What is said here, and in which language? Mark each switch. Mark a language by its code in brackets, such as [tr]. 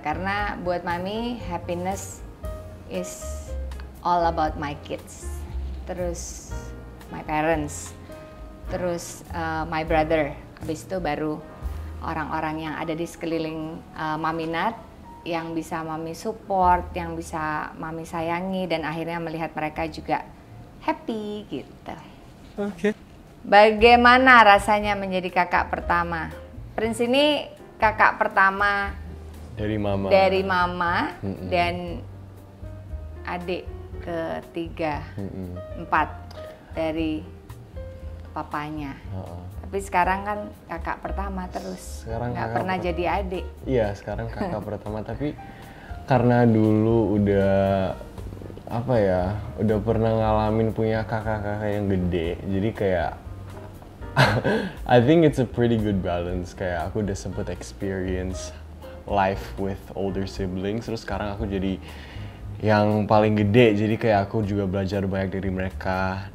[id] Karena buat mami [en] happiness is all about my kids. Terus my parents. Terus my brother. [id] Habis itu baru orang-orang yang ada di sekeliling Maminat yang bisa mami support, yang bisa mami sayangi dan akhirnya melihat mereka juga happy gitu. Oke. Bagaimana rasanya menjadi kakak pertama? Prince ini kakak pertama dari mama. Dari mama. Mm-mm. Dan adik ketiga. Mm-mm. Empat dari papanya. Uh-uh. Tapi sekarang kan kakak pertama terus. Sekarang gak pernah jadi adik. Iya, sekarang kakak pertama. Tapi karena dulu udah apa ya, udah pernah ngalamin punya kakak-kakak yang gede. Jadi kayak [en] I think it's a pretty good balance. [id] Kayak aku udah sempet [en] experience life with older siblings. [id] Terus sekarang aku jadi yang paling gede. Jadi kayak aku juga belajar banyak dari mereka.